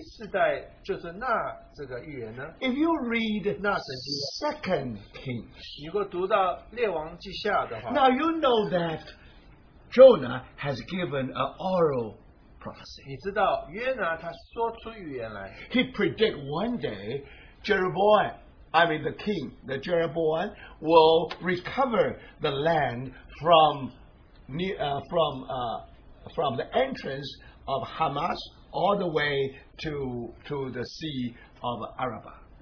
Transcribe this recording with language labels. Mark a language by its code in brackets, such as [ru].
[zh] 为什么约拿的这个神迹是这一世代就是那这个预言呢? [en] If you read [zh] 那神迹, [en] 2 Kings, [zh] 如果读到列王记下的话, [en] now you know that Jonah has given an oral prophecy. [zh] 你知道约拿他说出预言来, [en] he predict one day Jeroboam, I mean the king, the Jeroboam, will recover the land from the entrance of Hamas all the way to the Sea of Araba.